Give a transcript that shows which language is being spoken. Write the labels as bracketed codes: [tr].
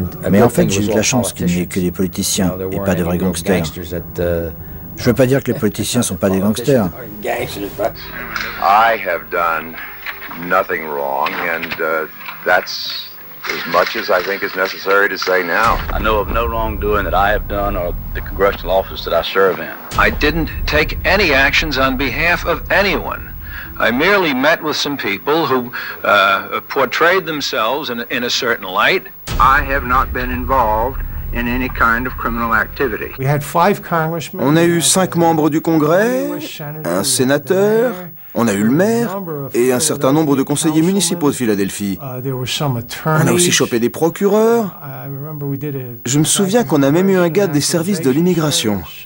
[fr] Mais en fait, j'ai eu de la chance qu'il n'y ait que des politiciens et pas de vrais gangsters. Je veux pas dire que les politiciens sont pas des gangsters. [en] I have done nothing wrong and that's as much as I think is necessary to say now. I know of no wrongdoing that I have done or the congressional office that I serve in. I didn't take any actions on behalf of anyone. I merely met with some people who portrayed themselves in a certain light. I have not been involved in any kind of criminal activity. We had five congressmen. [fr] On a eu cinq membres du Congrès, un sénateur, on a eu le maire et un certain nombre de conseillers municipaux de Philadelphie. On a aussi chopé des procureurs. Je me souviens qu'on a même eu un gars des services de l'immigration.